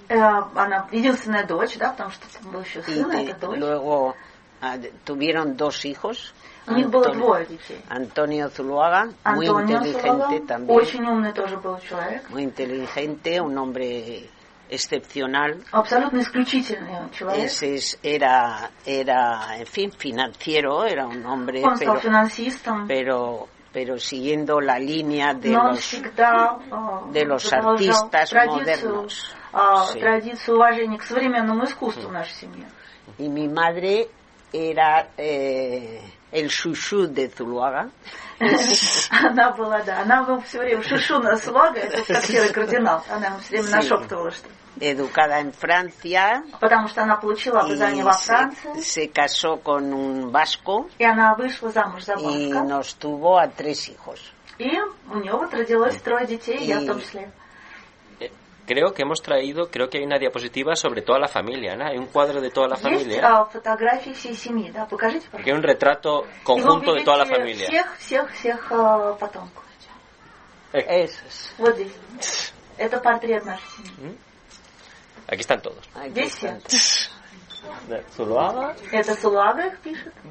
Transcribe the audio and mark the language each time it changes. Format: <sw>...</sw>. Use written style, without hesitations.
<ru>Она единственная дочь, да, потому что был еще сын, это дочь. И</ru> <es>luego tuvieron 2 hijos.</es> <ru>У них было 2 детей.</ru> <es>Антонио Зулуага, muy inteligente también.</es> <ru>Очень умный тоже был человек.</ru> <es>Muy inteligente, un hombre excepcional.</es> <ru>Абсолютно исключительный человек.</ru> <es>Era, en fin, financiero, era un hombre.</es> <ru>Он стал финансистом.</ru> <es>Pero pero siguiendo la línea de los artistas modernos.</es> <ru>Традицию уважения к современному искусству в нашей семье.</ru> <es>Y mi madre era el chuchu de Zuluaga.</es> <ru>Она была все время шушу на Зулуага, это как белый кардинал. Она ему все время нашептывала, что...</ru> <es>Educada en Francia.</es> <ru>Потому что она получила образование во Франции.</ru> <es>Se casó con un vasco.</es> <ru>И она вышла замуж за баска.</ru> <es>Y nos tuvo a tres hijos.</es> <ru>И у нее вот родилось трое детей, я в том числе.</ru> <es>Creo que hemos traído, creo que hay una diapositiva sobre toda la familia, ¿no? Hay un cuadro de toda la familia.</es> <ru>Есть фотографии всей семьи, да? Покажите, пожалуйста.</ru> <es>Aquí hay un retrato conjunto de toda la familia.</es> <ru>Всех потомков.</ru> <es>Esos.</es> <ru>Вот здесь. Это портрет нашей семьи.</ru> <es>Aquí están todos.</es> <ru>Здесь все.</ru> <es>Zuluaga.</es> <ru>Это Zuluaga, пишет.</ru>